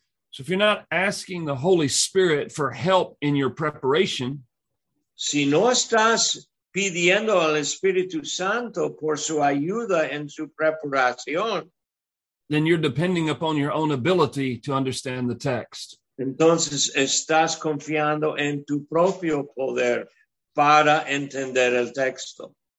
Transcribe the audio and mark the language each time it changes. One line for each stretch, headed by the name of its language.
English: So if you're not asking the Holy Spirit for help in your preparation,
Spanish: si no estás pidiendo al Espíritu Santo por su ayuda en su preparación,
English: then you're depending upon your own ability to understand the text.
Spanish: Entonces estás confiando en tu propio poder para entender el texto.